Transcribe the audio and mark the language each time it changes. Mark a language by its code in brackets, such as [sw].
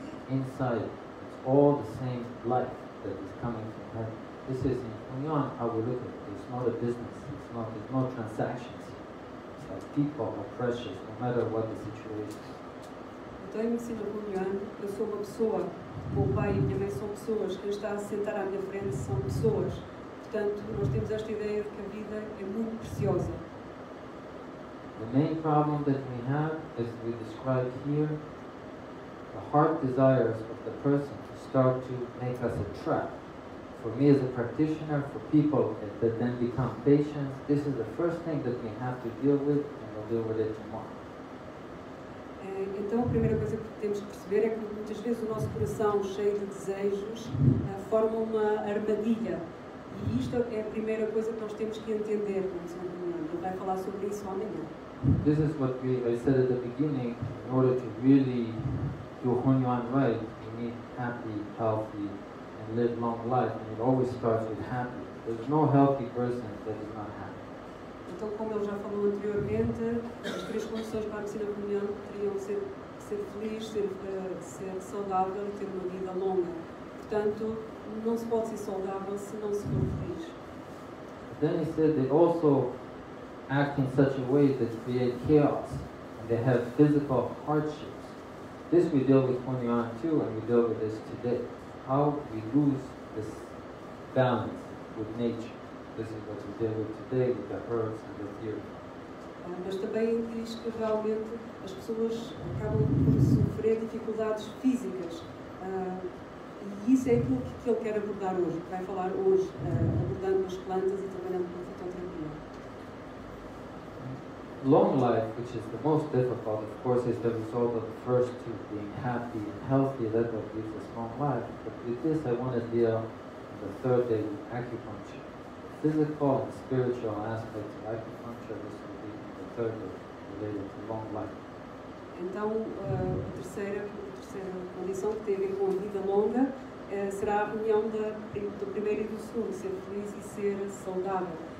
[en] Inside, it's all the same life that is coming from heaven. This is in Hunyuan how we look at it. It's not a business, it's not transactions. It's like people are precious no matter what the situation is. [pt] Então, em medicina Hunyuan, eu sou uma pessoa, o pai e minha mãe são pessoas, quem está a sentar à minha frente são pessoas. Portanto, nós temos esta ideia de que a vida é muito preciosa. [en] The main problem that we have, as we described here, the heart desires of the person to start to make us a trap. For me as a practitioner, for people that then become patients, this is the first thing that we have to deal with, and we'll deal with it tomorrow. [pt] Então, a primeira coisa que temos que perceber é que muitas vezes o nosso coração cheio de desejos forma uma armadilha. E isto é a primeira coisa que nós temos que entender, como se ele vai falar sobre isso amanhã. [en] This is what I said at the beginning, in order to really do Hunyuan right, we need happy, healthy, and live long life. And it always starts with happy. There's no healthy person that is not happy. [pt] Então, como ele já falou anteriormente, as três condições para a medicina comunhão teriam de ser feliz, ser saudável e ter uma vida longa. Portanto, não se pode ser saudável se não se for feliz. [en] Then he said they also act in such a way that create chaos and they have physical hardships. This we deal with Hunyuan too and we deal with this today. How we lose this balance with nature. This is what we deal with today with the herbs and the theory. [pt] Mas também diz que realmente as pessoas acabam por sofrer dificuldades físicas. E isso é aquilo que ele quer abordar hoje, que vai falar hoje, abordando as plantas e trabalhando com a fitoterapia. [en] Long life, which is the most difficult, of course, is the result of the first two, being happy and healthy, that will give us long life. But with this, I want to deal with the third day with acupuncture. Physical and spiritual aspects of acupuncture, this will be the third day related to long life. [pt] Então, a terceira condição que tem a ver com a vida longa será a união do primeiro e do segundo, ser feliz e ser saudável.